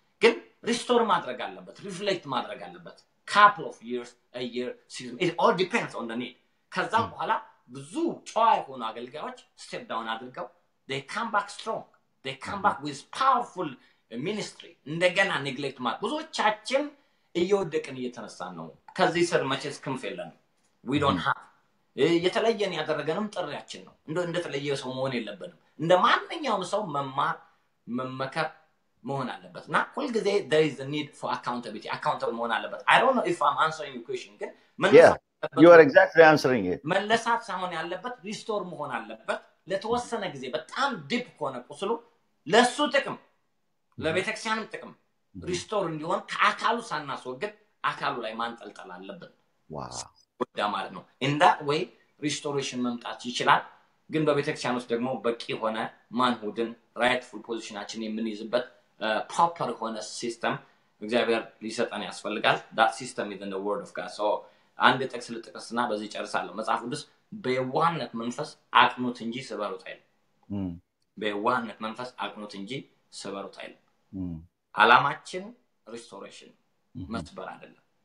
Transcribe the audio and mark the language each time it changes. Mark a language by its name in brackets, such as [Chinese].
[English] ግን ሪስቶር ማድረግ አለበት ሪፍሌክት ማድረግ አለበት couple of years a year season it all depends on the need [Amharic] ከዛ በኋላ ብዙ ጫዋይ ሆኖ አገልጋዮች [English] step down አድርገው they come back strong they come back with powerful ministry እንደገና neglect ማለት ብዙዎቻችን እየወደቅን እየተነሳን ነው [Amharic] ከዚህ ስር መቼስ ክንፍ የለም [English] we don't have [Amharic] የተለየን ያደረገንም ጥሪያችን ነው እንደ ተለየ ሰው መሆን የለብንም እንደ ማንኛውም ሰው መማር መመከር መሆን አለበት እና ሁሉ ጊዜ [English] there is a need for accountability [Amharic] accountable መሆን አለበት [English] I don't know if I'm answering your question [Amharic] ግን [English] yeah you are exactly answering it [Amharic] መለሳት ሳይሆን ያለበት restore መሆን አለበት ለተወሰነ ጊዜ በጣም [English] deep [Amharic] ከሆነ ቁስሉ ለሱ ጥቅም ለቤተክርስቲያንም ጥቅም restore እንዲሆን ከአካሉ ሳናስወግድ አካሉ ላይ ማንጠልጠል አለበት [English] wow [Amharic] ወዳ ማለት ነው [English] in that way [Amharic] restoration መምጣት ይችላል ግን በቤተክርስቲያን ውስጥ ደግሞ በቂ ሆነ manhoodን rightful positionችን የምንይዝበት proper one system እግዚአብሔር ሊሰጠን ያስፈልጋል [English] that system is in the word of god [Amharic] so አንድ ጥቅስ ልጥቀስና በዚህ ጨርሳለሁ መጽሐፍ ቅዱስ በዋንነት መንፈስ አቅኑት እንጂ ስበሩት አይል በዋንነት መንፈስ አቅኑት እንጂ ስበሩት አይል አላማችን restoration መስበር አይደለም